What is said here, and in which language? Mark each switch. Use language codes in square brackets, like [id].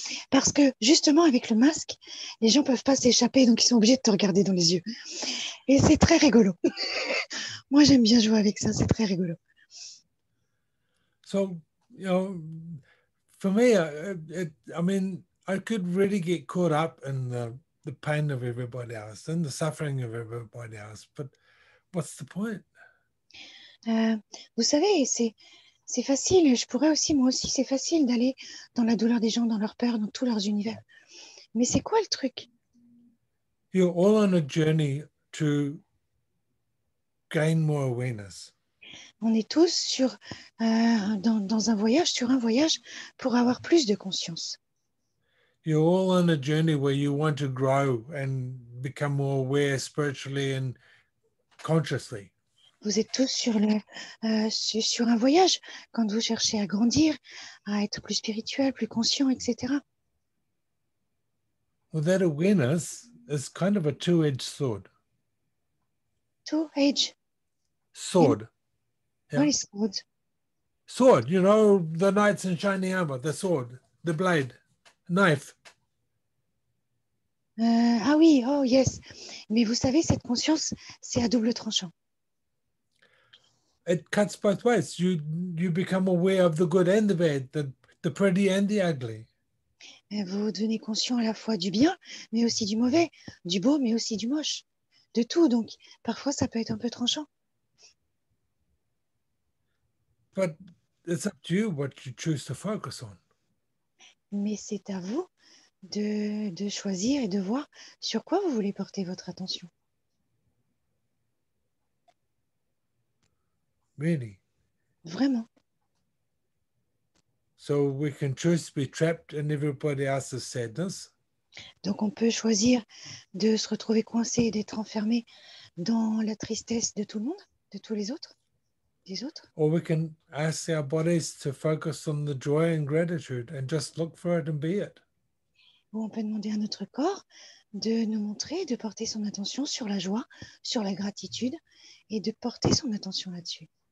[fr] Parce que justement, avec le masque, les gens ne peuvent pas s'échapper, donc ils sont obligés de te regarder dans les yeux. Et c'est très rigolo. Moi, j'aime bien jouer avec ça, c'est très rigolo. [en] So, you know, for me, I mean, I could really get caught up in the pain of everybody else and the suffering of everybody else, but what's the point? [fr] Vous savez, c'est facile. Je pourrais aussi, moi aussi, c'est facile d'aller dans la douleur des gens, dans leur peur, dans tous leurs univers. Mais c'est quoi le truc? [en] You're all on a journey to gain more awareness. [fr] On est tous sur dans un voyage, sur un voyage pour avoir plus de conscience. [en] You're all on a journey where you want to grow and become more aware spiritually and consciously. [fr] Vous êtes tous sur un voyage quand vous cherchez à grandir, à être plus spirituel, plus conscient, etc. [en] Well, that awareness is kind of a two-edged sword. Two-edged sword. Yeah. What is sword? Sword, you know, the knights in shiny armor, the sword, the blade, knife. [fr] Ah oui, [en] oh yes. [fr] Mais vous savez, cette conscience, c'est à double tranchant. [en] It cuts both ways. You become aware of the good and the bad, the pretty and the ugly. [fr] Et vous devenez conscient à la fois du bien, mais aussi du mauvais, du beau, mais aussi du moche, de tout. Donc, parfois, ça peut être un peu tranchant. [en] But it's up to you what you choose to focus on. [fr] Mais c'est à vous de choisir et de voir sur quoi vous voulez porter votre attention. [en] Really? [fr] Vraiment. [en] So we can choose to be trapped in everybody else's sadness. [fr] Donc on peut choisir de se retrouver coincé et d'être enfermé dans la tristesse de tout le monde, de tous les autres, des autres. [en] Or we can ask our bodies to focus on the joy and gratitude and just look for it and be it. [fr] Ou on peut demander à notre corps de nous montrer, de porter son attention sur la joie, sur la gratitude et de porter son attention là-dessus.